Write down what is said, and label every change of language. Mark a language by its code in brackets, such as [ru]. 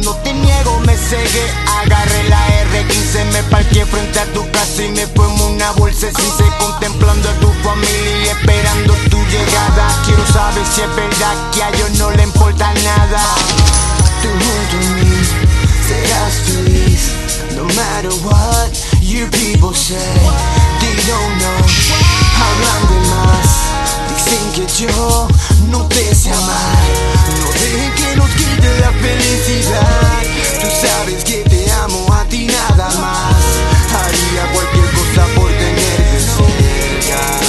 [es] No te niego, me cegué, agarré la R15. Me parqué frente a tu casa y me fumé una bolsa sin ser. Contemplando a tu familia y esperando tu llegada. Quiero saber si es verdad que a ellos no le importa nada. Tú junto a mí serás feliz. [en] No matter what your people say, they don't know. [es] Hablan de más, dicen que yo no te sé amar. No dejen que nos quite la felicidad. Tú sabes que te amo a ti nada más. Haría cualquier cosa por tenerte cerca.